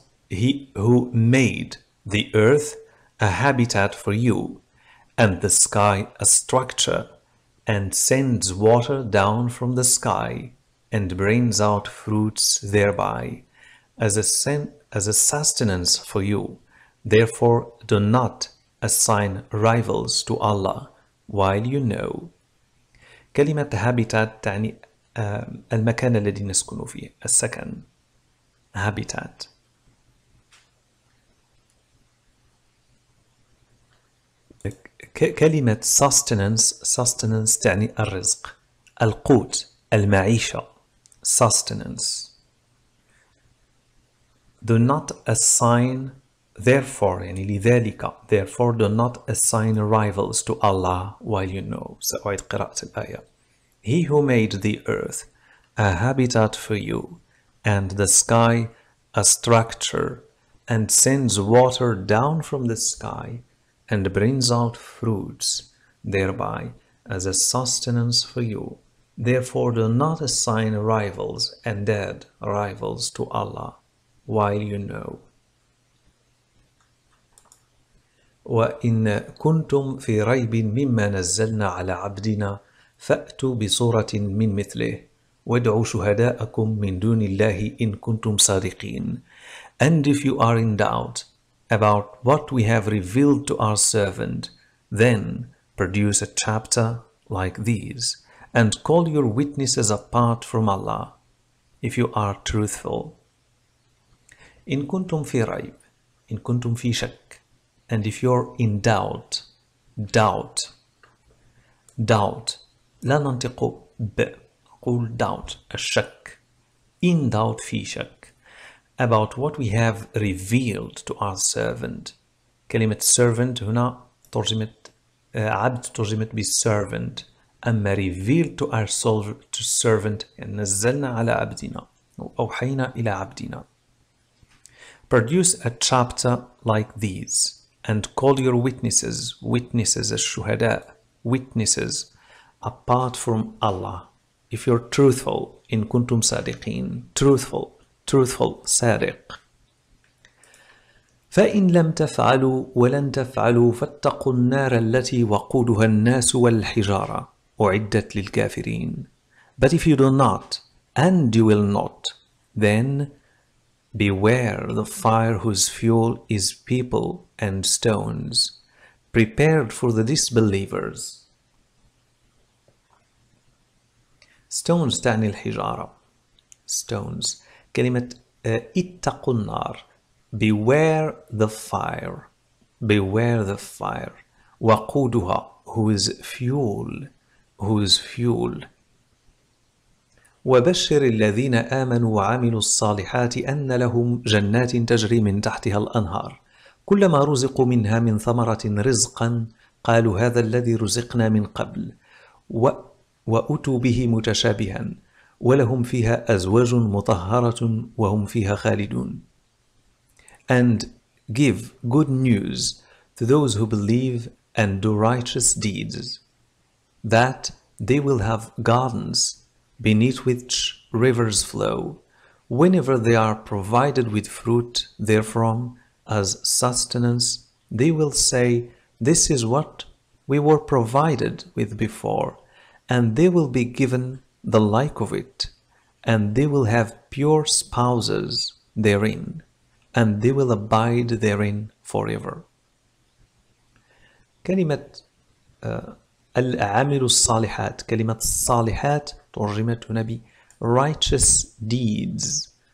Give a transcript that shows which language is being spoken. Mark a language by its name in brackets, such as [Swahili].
[English] He who made the earth a habitat for you and the sky a structure and sends water down from the sky and brings out fruits thereby as a sustenance for you. Therefore, do not assign rivals to Allah while you know. [Arabic] كلمة habitat تعني المكان الذي نسكن فيه، السكن. [English] habitat. [Arabic] كلمة sustenance، sustenance تعني الرزق، القوت، المعيشة. [English] sustenance. Do not assign therefore, [Arabic] يعني لذلك. [English] therefore do not assign rivals to Allah while you know. [Arabic] سأعيد قراءة الآية. [English] He who made the earth a habitat for you and the sky a structure and sends water down from the sky and brings out fruits thereby as a sustenance for you. Therefore, do not assign rivals and dead rivals to Allah while you know. [Arabic] وإن كنتم في ريب مما نزلنا على عبدنا فأتوا بصورة من مثله وادعوا شهداءكم من دون الله إن كنتم صادقين. [English] And if you are in doubt about what we have revealed to our servant, then produce a chapter like these. And call your witnesses apart from Allah if you are truthful. [Arabic] إن كنتم في ريب، إن كنتم في شك. [English] And if you're in doubt, doubt, doubt. [Arabic] لا ننطق ب، قول doubt، الشك. [English] In doubt, [Arabic] في شك. [English] About what we have revealed to our servant. [Arabic] كلمة servant هنا ترجمت عبد، ترجمت بservant. أما [English] revealed to our soul, to servant, [Arabic] يعني نزلنا على عبدنا أو أوحينا إلى عبدنا. [English] Produce a chapter like these and call your witnesses, witnesses الشهداء, witnesses apart from Allah. If you're truthful, [Arabic] إن كنتم صادقين, [English] truthful, truthful, صادق. [Arabic] فإن لم تفعلوا ولن تفعلوا فاتقوا النار التي وقودها الناس والحجارة. أعدت للكافرين. [English] But if you do not, and you will not, then beware the fire whose fuel is people and stones, prepared for the disbelievers. [Arabic] Stones تعني الحجارة. Stones. كلمة اتقوا النار. [English] Beware the fire. Beware the fire. وقودها whose fuel. Whose fuel. [Arabic] وبشر الذين آمنوا وعملوا الصالحات أن لهم جنات تجري من تحتها الأنهار كلما رزقوا منها من ثمرة رزقا قالوا هذا الذي رزقنا من قبل وأتوا به متشابها ولهم فيها أزواج مطهرة وهم فيها خالدون. [English] And give good news to those who believe and do righteous deeds that they will have gardens beneath which rivers flow whenever they are provided with fruit therefrom as sustenance. They will say, this is what we were provided with before, and they will be given the like of it, and they will have pure spouses therein, and they will abide therein forever. [Arabic] كلمة الأعمال الصالحات، كلمة الصالحات ترجمت هنا ب [English] righteous deeds.